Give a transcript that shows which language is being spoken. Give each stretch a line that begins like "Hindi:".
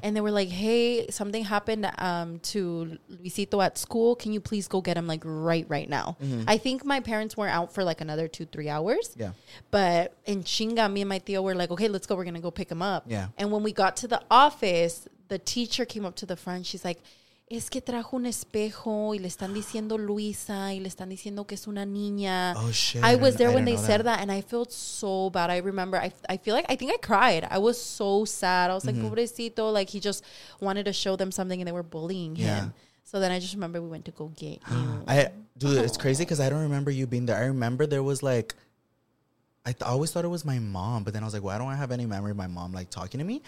English: And they were like, hey, something happened to Luisito at school. Can you please go get him, like, right now? Mm-hmm. I think my parents were out for, like, another 2-3 hours. Yeah. But in chinga, me and my tío were like, okay, let's go. We're going to go pick him up. Yeah. And when we got to the office, the teacher came up to the front. She's like,
Spanish: es que trajo un espejo y le están diciendo Luisa y le están diciendo que es una niña.
English: Oh, shit. I was there when they said that and I felt so bad. I remember, I feel like, I think I cried. I was so sad. I was like, pobrecito. Like, he just wanted to show them something and they were bullying him. So then I just remember we went to go get him. It's crazy because I don't remember you being there. I remember there was, like, I always thought it was my mom, but then I was like, well, I don't have any memory of my mom, like, talking to me.